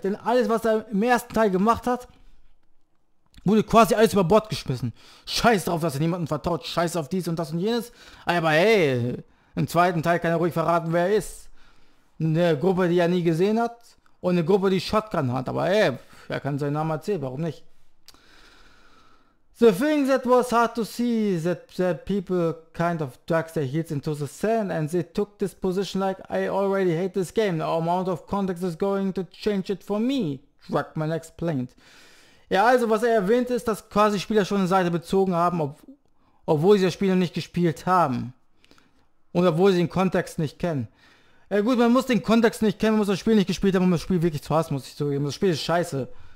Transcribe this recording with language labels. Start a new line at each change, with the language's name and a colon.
German: Denn alles, was er im ersten Teil gemacht hat, wurde quasi alles über Bord geschmissen. Scheiß drauf, dass er niemandem vertraut. Scheiß auf dies und das und jenes. Aber hey, im zweiten Teil kann er ruhig verraten, wer er ist. Eine Gruppe, die er nie gesehen hat. Und eine Gruppe, die Shotgun hat. Aber ey, er kann seinen Namen erzählen, warum nicht?
English: The thing that was hard to see, that people kind of dug their heels into the sand and they took this position like I already hate this game. The amount of context is going to change it for me, Druckmann explained.
German: Ja, also was er erwähnt ist, dass quasi Spieler schon eine Seite bezogen haben, obwohl sie das Spiel noch nicht gespielt haben. Und obwohl sie den Kontext nicht kennen. Ja gut, man muss den Kontext nicht kennen, man muss das Spiel nicht gespielt haben, um das Spiel wirklich zu hassen, muss ich zugeben. Das Spiel ist scheiße.